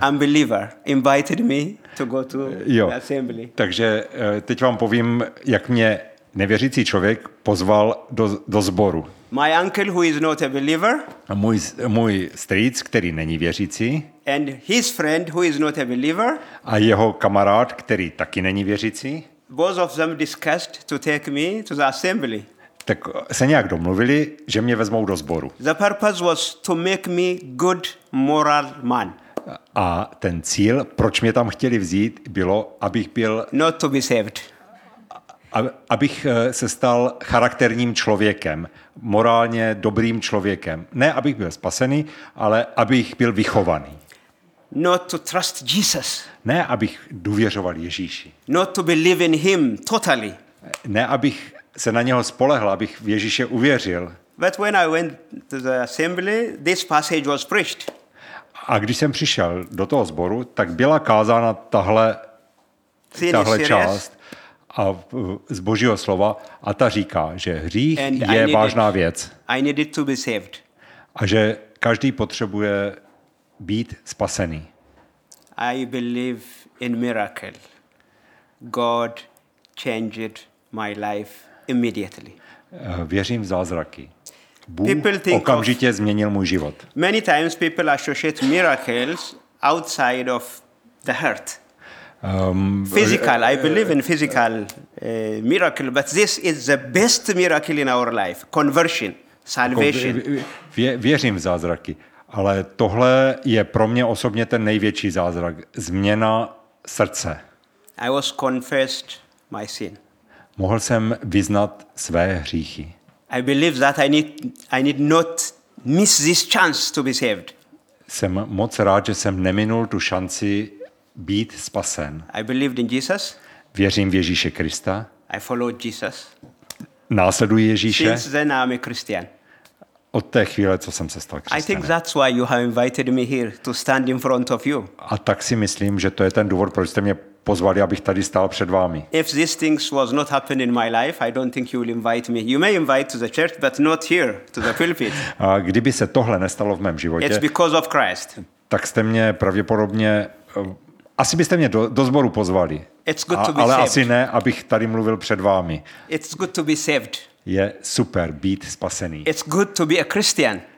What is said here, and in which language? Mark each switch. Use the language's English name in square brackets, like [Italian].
[English] Unbeliever invited me to go to the assembly. [Czech] Takže teď vám povím, jak mě nevěřící člověk pozval do sboru. [English] My uncle, who is not a believer. [Czech] A můj strýc, který není věřící. [English] And his friend, who is not a believer. [Czech] A jeho kamarád, který taky není věřící. [English] Both of them discussed to take me to the assembly. [Czech] Tak se nějak domluvili, že mě vezmou do sboru. [English] The purpose was to make me good moral man. [Czech] A ten cíl, proč mě tam chtěli vzít, bylo, abych byl... [English] Not to be saved. [Czech] Abych se stal charakterním člověkem, morálně dobrým člověkem. Ne, abych byl spasený, ale abych byl vychovaný. [English] Not to trust Jesus. [Czech] Ne, abych důvěřoval Ježíši. [English] Not to believe in him totally. [Czech] Ne, abych se na něho spolehl, abych v Ježíše uvěřil. [English] But when I went to the assembly, this passage was preached. [Czech] A když jsem přišel do toho sboru, tak byla kázána tahle část a z Božího slova a ta říká, že hřích je vážná věc. [English] I needed to be saved. [Czech] A že každý potřebuje být spasený. [English] I believe in miracle. God changed my life immediately. [Czech] Věřím v zázraky. Bůh okamžitě změnil můj život. [English] Many times people associate miracles outside of the heart. Physical, I believe in physical miracle, but this is the best miracle in our life, conversion, salvation. [Czech] Věřím v zázraky, ale tohle je pro mě osobně ten největší zázrak, změna srdce. [English] I was confessed my sin. [Czech] Mohl jsem vyznat své hříchy. [English] I believe that I need not miss this chance to be saved. [Czech] Jsem moc rád, že jsem neminul tu šanci být spasen. [English] I believed in Jesus. [Czech] Věřím v Ježíše Krista. [English] I followed Jesus. [Czech] Následuji Ježíše. [English] Since then I'm a Christian. [Czech] Od té chvíle, co jsem se stal křesťanem. [English] I think that's why you have invited me here to stand in front of you. [Czech] A tak si myslím, že to je ten důvod, proč jste mě pozvali, abych tady stál před vámi. [English] If these things was not happening in my life, I don't think you will invite me. You may invite to the church, but not here to the pulpit. [Czech] A kdyby se tohle nestalo v mém životě, [English] it's because of Christ. [Czech] Tak jste mě pravděpodobně asi byste mě do sboru pozvali, ale asi ne, abych tady mluvil před vámi. [English] It's good to be saved. [Czech] Je super být spasený. [English] It's good to be a Christian.